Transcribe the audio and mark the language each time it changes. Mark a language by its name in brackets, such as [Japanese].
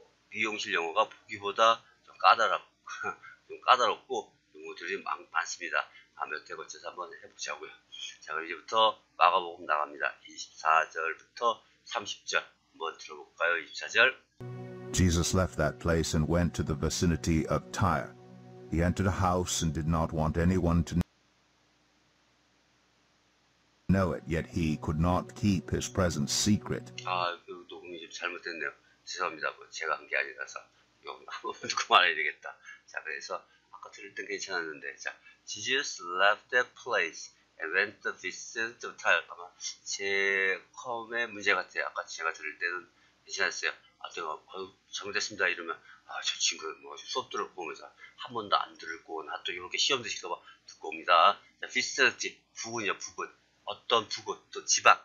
[Korean] 미용실 영어가 보기보다 좀 까다롭고 용어들이 많습니다. 다음에 어떻게 거쳐서 한번 해보자고요. 자, 그럼 이제부터 마가복음 나갑니다. 24절부터 30절 한번 들어볼까요? 24절. [English] Jesus left that place and went to the vicinity of Tyre. He entered a house and did not want anyone to know it, yet he could not keep his presence secret. [Korean] 아, 녹음이 좀 잘못됐네요. 죄송합니다. 제가 한게 아니라서. 이거 한번 듣고 말해야 되겠다. 자, 그래서 아까 들을 땐 괜찮았는데. [English] 자, Jesus left that place and went to visit the Tyre. [Korean] 아마 제 컴의 문제 같아요. 아까 제가 들을 때는 괜찮았어요. 아, 제가 잘못됐습니다. 이러면, 아, 저 친구 뭐 수업 들어보면서 한 번도 안 들었고, 나또 이렇게 시험 드실까 봐 듣고 옵니다. 자, visit, 부근이요, 부근. 어떤 부근, 또 지방.